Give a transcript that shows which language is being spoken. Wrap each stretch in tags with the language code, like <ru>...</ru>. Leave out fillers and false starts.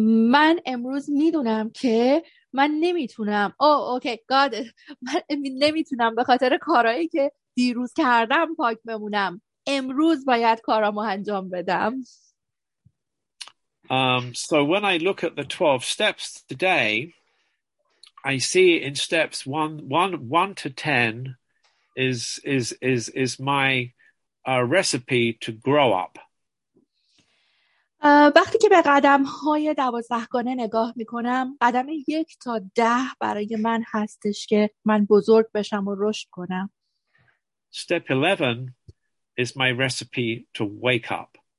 <fa>من امروز میدونم که من نمیتونم من نمیتونم به خاطر کارهایی که دیروز کردم پاک بمونم. امروز باید کارامو انجام بدم.</fa> <en>So when I look at the 12 steps today, I see in steps 1 to 10 is my recipe to grow up.</en> <fa>وقتی که به قدم‌های 12 گانه نگاه می‌کنم، قدم 1 تا 10 برای من هستش که من بزرگ بشم و رشد کنم.</fa> <en>Step 11 is my recipe to wake up.</en>